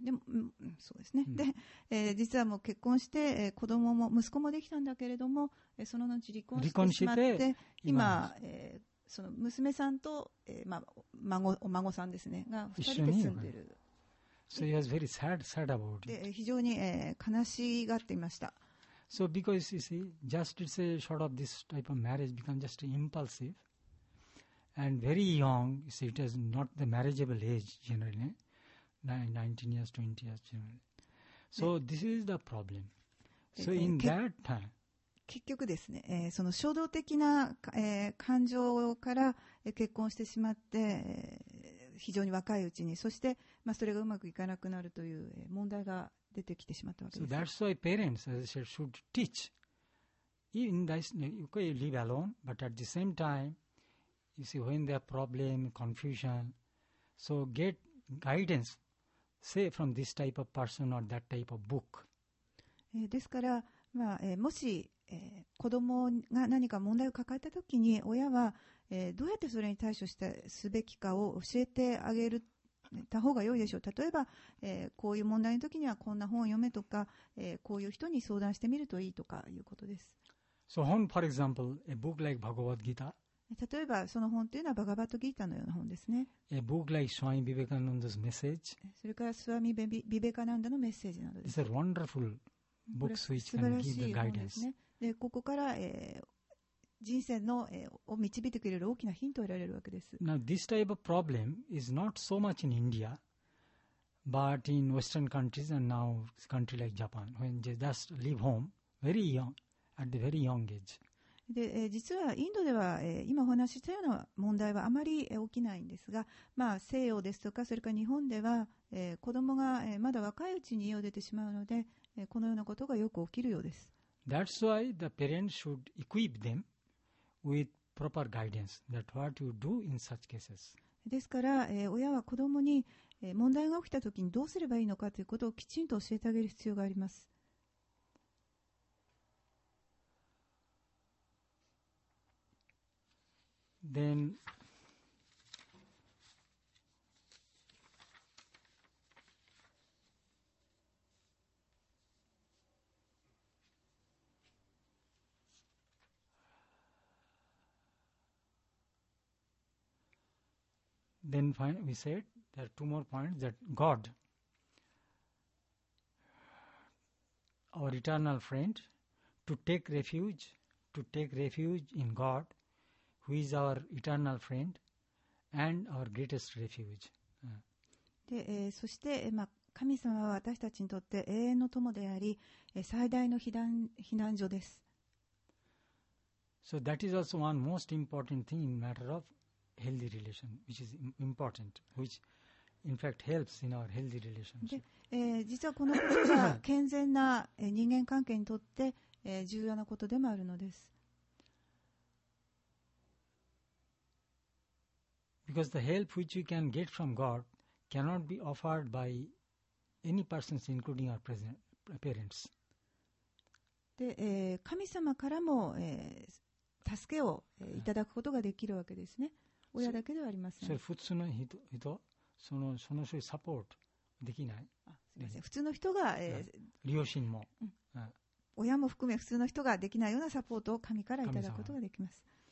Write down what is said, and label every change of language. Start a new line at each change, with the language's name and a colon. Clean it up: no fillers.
Japanese: でも、そうですね。うん、で、実はもう結婚して、子供も息子もできたんだけれども、その後離婚してしまって今その娘さんと、お孫さんですねが2人で住んでる。
English: So he was very sad about it.
Japanese: 非常に、悲しがっていました。
English: So because you see, just it's a sort of this type of marriage become just impulsive and very young. You see, it is not the marriageable age generally, 19 years, 20 years generally. So this is the problem. So in that time,
Japanese: 結局ですね、その衝動的な、感情から結婚してしまって。非常に若いうちに、そして、まあ、それがうまくいかなくなるという問題が出てきてしまったわけです。
English: So that's why parents should teach in this, you can live alone, but at the same time, you see, when there are problems, confusion, so get guidance, say from this type of person or that type of book.
Japanese: ですから、まあ、もし、子供が何か問題を抱えたときに、親は、どうやってそれに対処してすべきかを教えてあげるた方が良いでしょう。例えば、こういう問題のときにはこんな本を読めとか、こういう人に相談してみるといいとかいうことです。
English: So, for example, a book like Bhagavad Gita.
Japanese: 例えばその本というのはバガバットギータのような本ですね。
English: A book like Swami Vivekananda's message.
Japanese: それからスワミビベカナンダのメッセージなどです。
English: It's a wonderful book which can give the guidance.
Japanese: でここから、人生の、を導いてくれる大きなヒントを得られるわけです。
English: Now, this type of problem is not so much in India, but in Western countries and now country like Japan, when they just leave home very young, at the very young age.
Japanese: で、実はインドでは、今お話したような問題はあまり起きないんですが、まあ、西洋ですとか、それから日本では、子供が、まだ若いうちに家を出てしまうので、このようなことがよく起きるようです。
English: That's why the parents should equip them. With proper guidance, that what you do in such cases.
Japanese: ですから、親は子供に、問題が起きたときにどうすればいいのかということをきちんと教えてあげる必要があります。
English: Then, Then we said there are two more points that God, our eternal friend, to take refuge in God, who is our eternal friend and our greatest refuge.
Japanese: で、そして、まあ、神様は私たちにとって永遠の友であり、最大の避難所です。
English: So that is also one most important thing in matter of. Healthy relation, which is important, which in fact helps in our healthy relationship.
Japanese: 実はこのことが健全な人間関係にとって重要なことでもあるのです。
English: Because the help which we can get from God cannot be offered by any persons, including our parents.
Japanese: で、神様からも、助けをいただくことができるわけですね。親だけではありません。それ普通の人、その人にサポートできない。あ、すみません。普通の人が、両親も、うん、親も含め普通の人ができないようなサポートを神からいただくことができます。